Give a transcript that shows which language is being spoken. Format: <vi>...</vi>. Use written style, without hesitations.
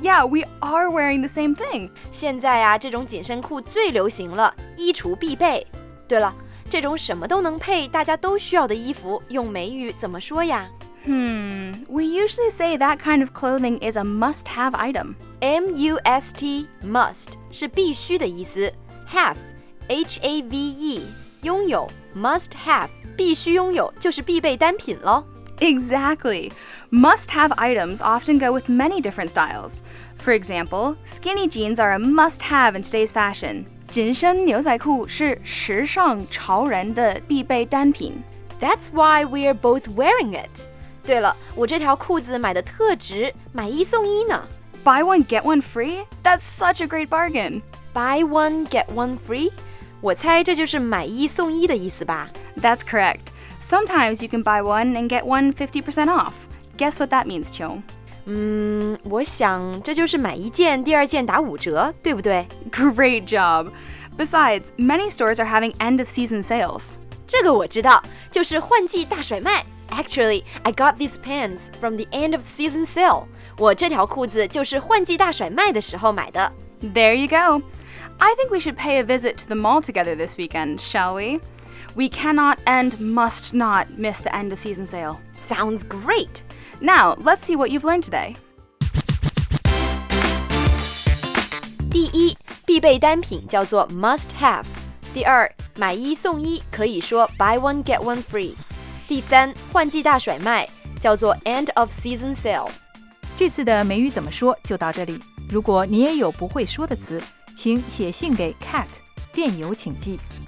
<en>Yeah, we are wearing the same thing.</en> <zh>现在啊，这种紧身裤最流行了，衣橱必备。对了，这种什么都能配、大家都需要的衣服，用美语怎么说呀？</zh> <en>We usually say that kind of clothing is a must-have item.</en> <zh>M-U-S-T, must, 是必须的意思。 Have, H-A-V-E, 拥有 must-have, 必须拥有就是必备单品咯。</zh> <en>Exactly. Must-have items often go with many different styles. For example, skinny jeans are a must-have in today's fashion.</en> <zh>紧身牛仔裤是时尚潮人的必备单品。</zh> <en>That's why we're both wearing it.</en> <zh>对了，我这条裤子买的特值，买一送一呢。</zh> <en>Buy one, get one free? That's such a great bargain. Buy one, get one free?</en> <zh>我猜这就是买一送一的意思吧。</zh> <en>That's correct. Sometimes you can buy one and get one 50% off. Guess what that means, Qiong?</en> <zh>我想这就是买一件，第二件打五折，对不对？</zh> <en>Great job. Besides, many stores are having end of season sales.</en> <zh>这个我知道，就是换季大甩卖。</zh> <en>Actually, I got these pants from the end of season sale.</en> <zh>我这条裤子就是换季大甩卖的时候买的。</zh> <en>There you go. I think we should pay a visit to the mall together this weekend, shall we? We cannot and must not miss the end of season sale. Sounds great. Now, let's see what you've learned today.</en> <zh>第一，必备单品叫做 must have。第二，买一送一可以说 buy one get one free。第三，换季大甩卖叫做 end of season sale。这次的美语怎么说就到这里。如果你也有不会说的词，请写信给 Cat， 电邮请寄</zh>